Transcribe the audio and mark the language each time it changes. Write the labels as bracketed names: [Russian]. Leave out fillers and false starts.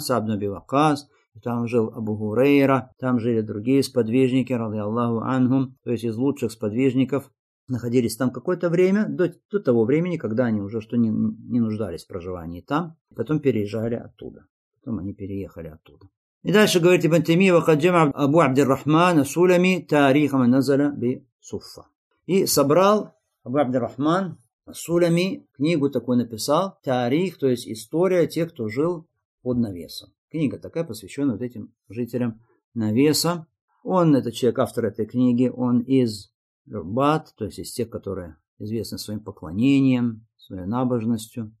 [Russian] Саад ибн Аби Ваккас. Там жил Абу Гурейра. Там жили другие сподвижники, [Arabic] رضي الله عنهم. [Russian] То есть из лучших сподвижников находились там какое-то время. До того времени, когда они уже что не нуждались в проживании там. Потом переезжали оттуда. Потом они переехали оттуда. И дальше говорит Ибн Таймия, [Arabic] وقد جمع أبو عبد الرحمن السلمي تاريخ من نزل بصفة. [Russian] И собрал Абу Абд ар-Рахман ас-Сулями, книгу такую написал, тарих, то есть история тех, кто жил под навесом. Книга такая, посвященная вот этим жителям навеса. Он, этот человек, автор этой книги, он из Рубат, то есть из тех, которые известны своим поклонением, своей набожностью.